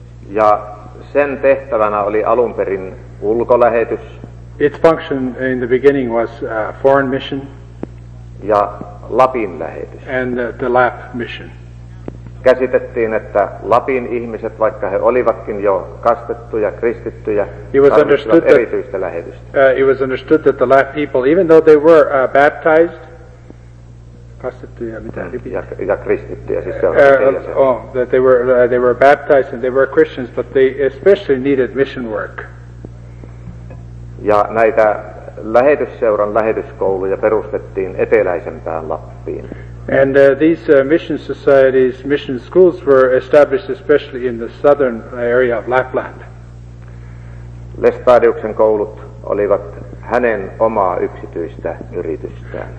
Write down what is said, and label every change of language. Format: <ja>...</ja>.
<fi>Ja sen tehtävänä oli alun perin ulkolähetys.</fi> <en>Its function in the beginning was foreign mission.</en> <fi>Ja Lapin lähetys.</fi> <en>And the Lap mission.</en> <fi>Käsitettiin, että Lapin ihmiset, vaikka he olivatkin jo kastettuja, kristittyjä, tarvitsivat erityistä lähetystä.</fi> <en>It was understood that the Lap people, even though they were baptized,</en> <fi>kastettuja, mitä ripit? Ja kristittyjä, siis se on</fi> <en>That they were baptized and they were Christians, but they especially needed mission work.</en> <fi>Ja näitä lähetysseuran lähetyskouluja perustettiin eteläisempään Lappiin.</fi> <en>And these mission societies, mission schools, were established especially in the southern area of Lapland.</en> <fi>Lestadiuksen koulut olivat hänen omaa yksityistä yritystään.</fi>